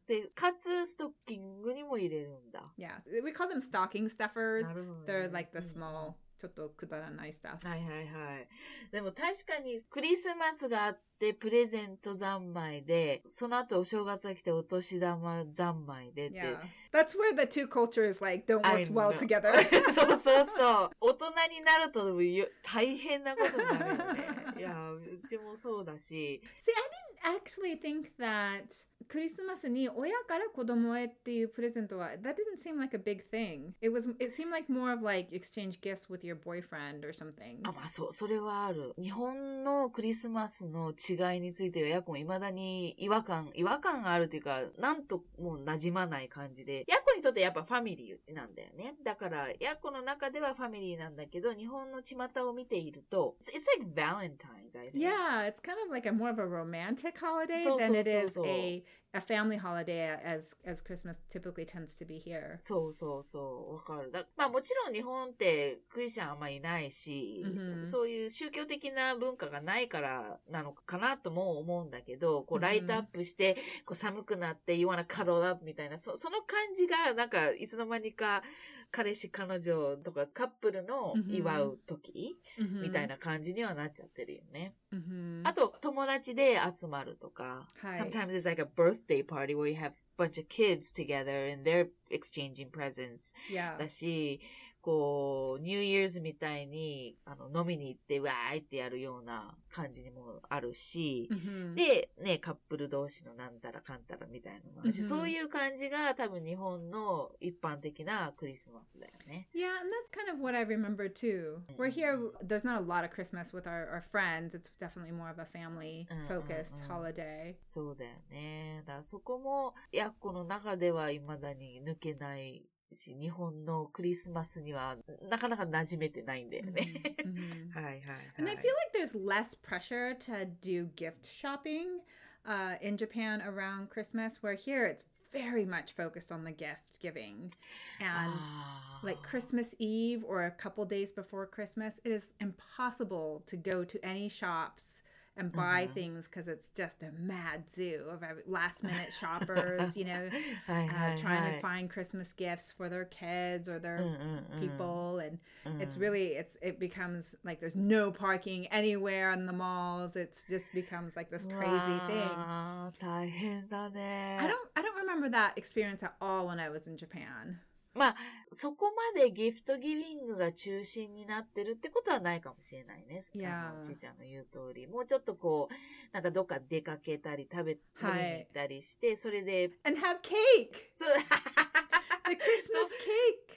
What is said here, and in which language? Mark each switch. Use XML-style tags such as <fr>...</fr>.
<ja>で、かつ、ストッキングにも入れるんだ。</ja> <en>Yeah, we call them stocking stuffers. They're like the small,、mm-hmm.</en> <ja>ちょっとくだらない stuff. はいはいはい。でも確かに、クリスマスがあって、プレゼント三昧で、その後お正月が来て、お年玉三昧でって。</ja> <en>Yeah. That's where the two cultures like, don't work well together.</en> <ja>そうそうそう。大人になると大変なことになるよね。いや、うちもそうだし。</ja> <en>See, I didn't actually think that</en> <ja>クリスマスに親から子供へっていうプレゼントは、</ja> <en>that didn't seem like a big thing. It seemed like more of like exchange gifts with your boyfriend or something.</en> <ja>あ、まあそう、それはある。日本のクリスマスの違いについては、やこも未だに違和感があるというか、なんともう馴染まない感じで。やこにとってやっぱファミリーなんだよね。だから、やこの中ではファミリーなんだけど、日本の巷を見ていると、</ja> <en>it's like Valentine's. Yeah, it's kind of like a more of a romantic holiday than it is a family holiday as Christmas typically tends to be here.</en> <ja>そうそうそう、わかる。まあもちろん日本ってクリスチャンあんまりいないし、そういう宗教的な文化がないからなのかなとも思うんだけど、こうライトアップして、こう寒くなって</ja> <en>you wanna cuddle up</en> <ja>みたいな、その感じがなんかいつの間にか彼氏彼女とかカップルの祝う時、みたいな感じにはなっちゃってるよね。あと友達で集まるとか、</ja> <en>sometimes it's like a birthday party where you have a bunch of kids together and they're exchanging presents. Yeah.</en> <ja>だし、こう New Year's みたいに飲みに行ってわーってやるような感じにもあるし、でねカップル同士のなんたらかんたらみたいなのもあるし、そういう感じが多分日本の一般的なクリスマスだよね。</ja> <en>Yeah, and that's kind of what I remember too. We're here. There's not a lot of Christmas with our friends. It's definitely more of a family focused holiday.</en> <ja>そうだよね。だからそこもやっこの中では未だに抜けない。し日本のクリスマスにはなかなか馴染めてないんだよね。はいはいはい。</ja> <en>And I feel like there's less pressure to do gift shopping, in Japan around Christmas, where here it's very much focused on the gift giving. And like Christmas Eve or a couple days before Christmas, it is impossible to go to any shops. And buy things because it's just a mad zoo of last minute shoppers, you know, trying to find Christmas gifts for their kids or their people. And it becomes like there's no parking anywhere in the malls. It just becomes like this crazy thing.</en> <ja>大変だね。</ja> <en>I don't remember that experience at all when I was in Japan.</en> <ja>まあ、そこまでギフトギビングが中心になってるってことはないかもしれないね。</ja> <en>Yeah.</en> <ja>おじいちゃんの言う通り。もうちょっとこう、なんかどっか出かけたり食べたり、行ったりして、それで。</ja> <en>And have cake!</en> <ja>そう。</ja> <en>The Christmas cake!</en>